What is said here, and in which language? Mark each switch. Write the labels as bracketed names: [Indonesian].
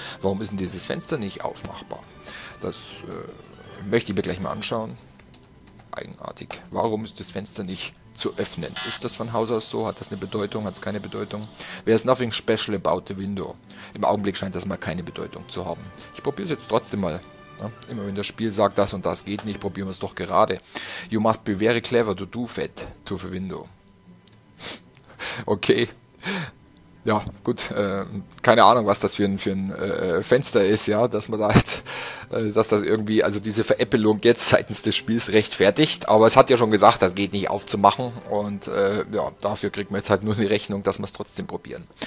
[German] Warum ist denn dieses Fenster nicht aufmachbar? Das möchte ich mir gleich mal anschauen. Eigenartig. Warum ist das Fenster nicht zu öffnen? Ist das von Haus aus so? Hat das eine Bedeutung? Hat es keine Bedeutung? [English] There's nothing special about the window. [German] Im Augenblick scheint das mal keine Bedeutung zu haben. Ich probiere es jetzt trotzdem mal Ja, immer wenn das Spiel sagt, das und das geht nicht, probieren wir es doch gerade. [English] You must be very clever to do that, to the window. [German] Okay. Ja, gut. Keine Ahnung, was das für ein Fenster ist, ja, dass man da jetzt, dass das irgendwie, also diese Veräppelung jetzt seitens des Spiels rechtfertigt. Aber es hat ja schon gesagt, das geht nicht aufzumachen. Und ja, dafür kriegt man jetzt halt nur eine Rechnung, dass wir es trotzdem probieren.